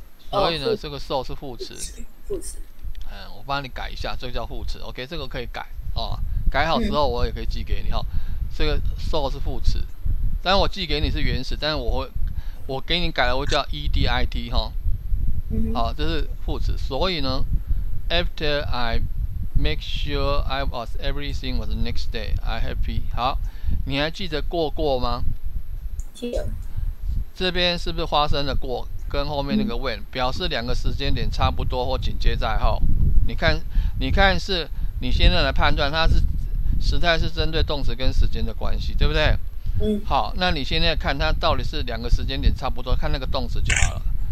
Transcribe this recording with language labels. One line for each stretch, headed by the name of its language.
Chinese: 所以呢，这个 so 是副词。副词。嗯，我帮你改一下，这个叫副词。OK， 这个可以改哦，改好之后我也可以寄给你哈、嗯。这个 so 是副词。但我寄给你是原始，但是我给你改了，我叫 edit 哈，好、嗯啊，这是副词，所以呢，
English: After I make sure I was everything was the next day, I happy.
Chinese: 好，你还记得过吗？记得。这边是不是发生的过跟后面那个 when、表示两个时间点差不多或紧接在后？你看是你现在来判断它是时态是针对动词跟时间的关系，对不对？好，那你现在看它到底是两个时间点差不多，看那个动词就好了。